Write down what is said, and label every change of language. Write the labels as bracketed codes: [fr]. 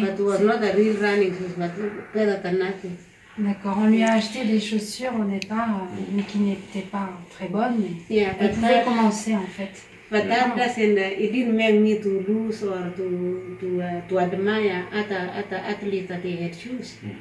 [en] But it was not a real running shoes, but better than nothing. [fr] D'accord, on lui a acheté des chaussures au départ, mais qui n'étaient pas très bonnes. Mais yeah, elle pouvait commencer en fait. [en] But that doesn't, it didn't make me to lose or to admire other athletes that they had shoes.